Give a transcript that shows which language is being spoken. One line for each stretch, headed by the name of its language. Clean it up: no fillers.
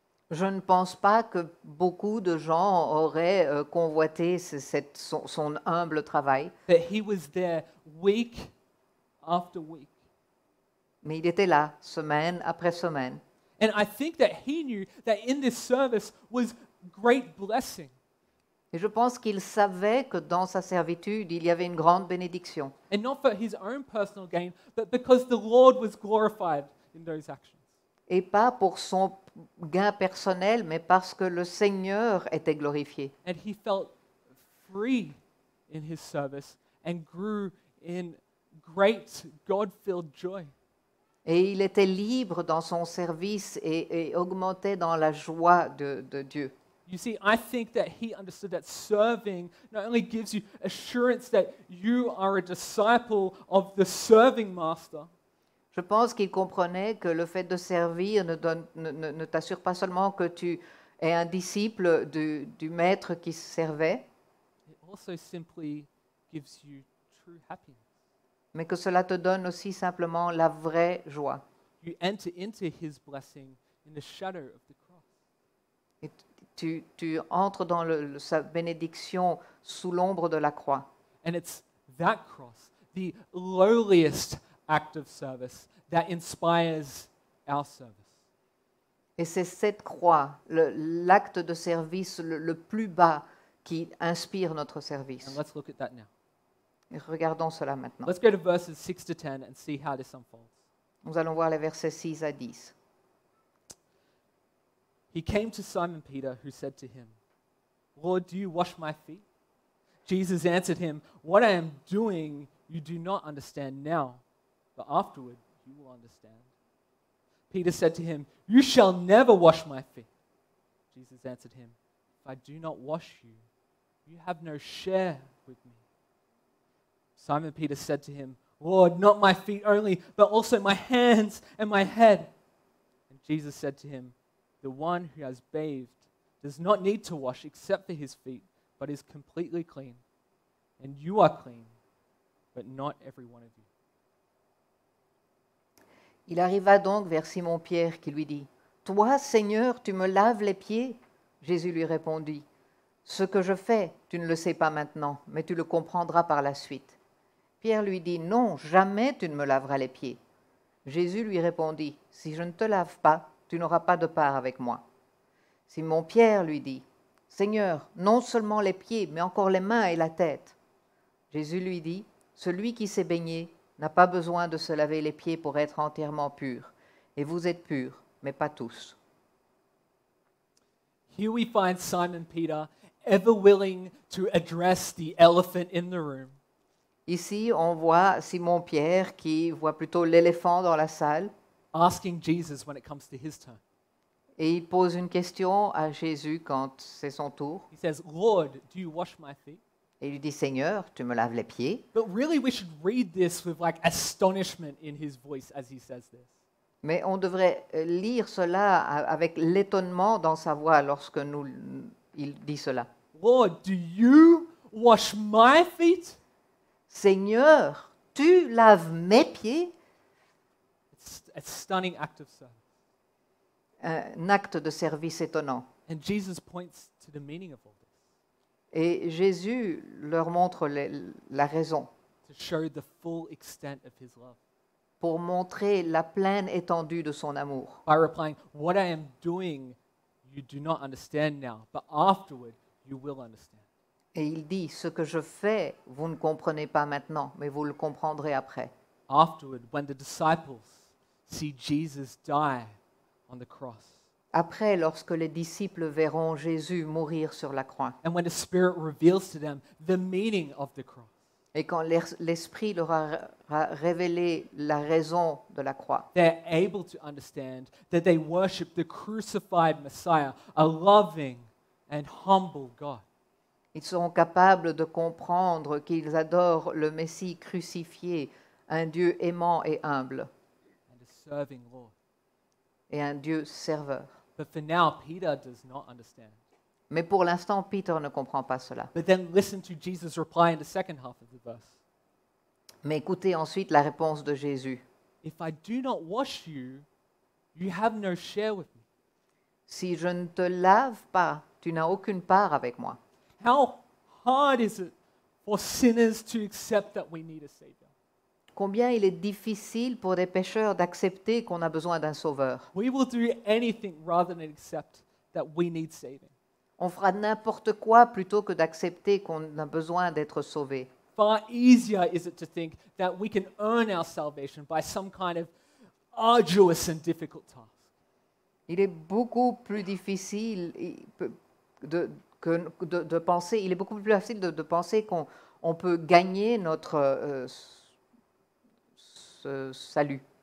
French: Je ne pense pas que beaucoup de gens auraient convoité son humble travail.
English: But he was there week after week.
French: Mais il était là, semaine après semaine.
English: And I think that he knew that in this service was great blessing.
French: Et je pense qu'il savait que dans sa servitude, il y avait une grande bénédiction.
English: And not for his own personal gain, but because the Lord was glorified in those actions.
French: Et pas pour son gain personnel, mais parce que le Seigneur était glorifié.
English: And he felt free in his service and grew in great God-filled joy.
French: Et il était libre dans son service et augmentait dans la joie de Dieu.
English: You see, I think that he understood that serving not only gives you assurance that you are a disciple of the serving master.
French: Je pense qu'il comprenait que le fait de servir ne t'assure pas seulement que tu es un disciple du maître qui servait.
English: It also simply gives you true happiness.
French: Mais que cela te donne aussi simplement la vraie joie.
English: You enter into his blessing in the shadow of the cross.
French: Tu entres dans sa bénédiction sous l'ombre de la croix.
English: And it's that cross, the lowliest act of service, that inspires our service.
French: Et c'est cette croix, l'acte de service le plus bas qui inspire notre service.
English: And let's look at that now.
French: Et regardons cela maintenant.
English: Let's go to verses 6 to 10 and see how this unfolds.
French: Nous allons voir les versets 6 à 10.
English: He came to Simon Peter, who said to him, Lord, do you wash my feet? Jesus answered him, What I am doing, you do not understand now, but afterward you will understand. Peter said to him, You shall never wash my feet. Jesus answered him, If I do not wash you, you have no share with me. Simon Peter said to him, Lord, not my feet only, but also my hands and my head. And Jesus said to him, The one who has bathed does not need to wash except for his feet, but is completely clean. And you are clean, but not every one of you.
French: Il arriva donc vers Simon Pierre qui lui dit, « Toi, Seigneur, tu me laves les pieds ?» Jésus lui répondit, « Ce que je fais, tu ne le sais pas maintenant, mais tu le comprendras par la suite. » Pierre lui dit, « Non, jamais tu ne me laveras les pieds. » Jésus lui répondit, « Si je ne te lave pas, tu n'auras pas de part avec moi. » Simon Pierre lui dit, « Seigneur, non seulement les pieds, mais encore les mains et la tête. » Jésus lui dit, « Celui qui s'est baigné n'a pas besoin de se laver les pieds pour être entièrement pur. Et vous êtes purs, mais pas tous. »
English: Here we find Simon Peter ever willing to address the elephant in the room.
French: Ici, on voit Simon Pierre qui voit plutôt l'éléphant dans la salle.
English: Asking Jesus when it comes to his turn.
French: Et il pose une question à Jésus quand c'est son tour.
English: He says, Lord, do you wash my feet?
French: Et il dit, Seigneur, tu me laves les pieds?
English: But really, we should read this with like astonishment in his voice as he says this.
French: Mais on devrait lire cela avec l'étonnement dans sa voix lorsque il dit cela.
English: Lord, do you wash my feet?
French: Seigneur, tu laves mes pieds?
English: A stunning act of service.
French: Un acte de service étonnant.
English: And Jesus points to the meaning of all this.
French: Et Jésus leur montre la raison.
English: To show the full extent of his love.
French: Pour montrer la pleine étendue de son amour.
English: By replying, What I am doing, you do not understand now, but afterward, you will understand.
French: Et il dit, Ce que je fais, vous ne comprenez pas maintenant, mais vous le comprendrez après.
English: Afterward, when the disciples see Jesus die on the cross.
French: Après, lorsque les disciples verront Jésus mourir sur la croix.
English: And when the Spirit reveals to them the meaning of the cross.
French: Et quand l'Esprit leur a révélé la raison de la croix,
English: they're able to understand that they worship the crucified Messiah, a loving and humble God.
French: Ils sont capables de comprendre qu'ils adorent le Messie crucifié, un Dieu aimant et humble.
English: And a serving Lord.
French: Et un Dieu serveur.
English: But for now, Peter does not understand.
French: Mais pour l'instant, Peter ne comprend pas cela.
English: But then listen to Jesus' reply in the second half of the verse.
French: Mais écoutez ensuite la réponse de Jésus.
English: If I do not wash you, you have no share with me.
French: Si je ne te lave pas, tu n'as aucune part avec moi.
English: How hard is it for sinners to accept that we need a savior?
French: Combien il est difficile pour des pécheurs d'accepter qu'on a besoin d'un sauveur.
English: We will do anything rather than accept that we need saving.
French: On fera n'importe quoi plutôt que d'accepter qu'on a besoin d'être sauvé.
English: Far easier is it to think that we can earn our salvation by some kind of arduous and difficult task.
French: Il est beaucoup plus difficile de penser, il est beaucoup plus facile de penser qu'on peut gagner notre salut.